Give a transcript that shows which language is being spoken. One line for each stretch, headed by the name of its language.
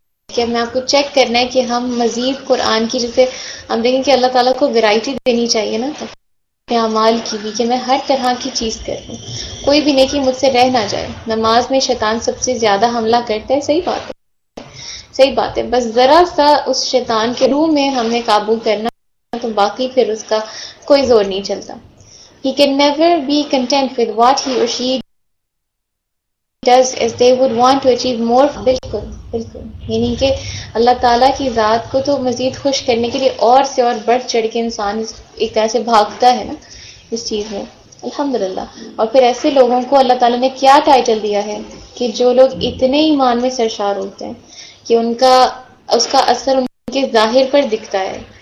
Urdu: میں آپ کو چیک کرنا ہے کہ ہم مزید قرآن کی، جیسے ہم دیکھیں کہ اللہ تعالیٰ کو ورائٹی دینی چاہیے نا اعمال کی بھی، کہ میں ہر طرح کی چیز کروں، کوئی بھی نیکی مجھ سے رہ نہ جائے. نماز میں شیطان سب سے زیادہ حملہ کرتا ہے، صحیح بات ہے صحیح بات ہے. بس ذرا سا اس شیطان کے روح میں ہم نے قابو کرنا تو باقی پھر اس کا کوئی زور نہیں چلتا.
English: He can never be content with what he or she does as they would want to achieve more.
Urdu: بالکل بالکل، یعنی کہ اللہ تعالیٰ کی ذات کو تو مزید خوش کرنے کے لیے اور سے اور بڑھ چڑھ کے انسان ایک طرح سے بھاگتا ہے نا اس چیز میں الحمدللہ. اور پھر ایسے لوگوں کو اللہ تعالیٰ نے کیا ٹائٹل دیا ہے کہ جو لوگ اتنے ایمان میں سرشار ہوتے ہیں کہ ان کا اس کا اثر ان کے ظاہر پر دکھتا ہے.